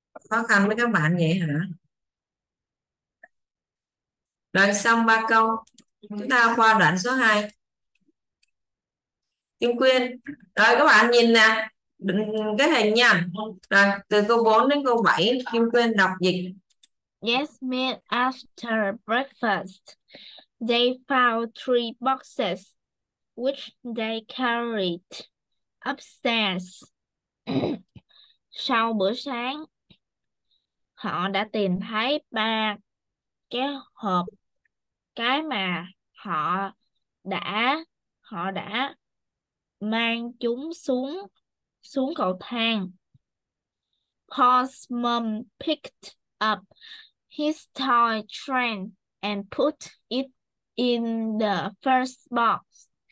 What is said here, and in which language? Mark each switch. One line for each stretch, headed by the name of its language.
Vietnamese: Khó khăn với các bạn vậy hả? Rồi xong ba câu. Chúng ta qua đoạn số 2. Kim Quyên. Rồi các bạn nhìn nè cái hình nha. Rồi từ câu 4 đến câu 7 Kim quên đọc dịch.
English: Yes, after breakfast, they found three boxes, which they carried upstairs.
Vietnamese: Sau bữa sáng, họ đã tìm thấy ba cái hộp, cái mà họ đã mang chúng xuống cầu thang.
English: Paul's mom picked up his toy train and put it in the first box.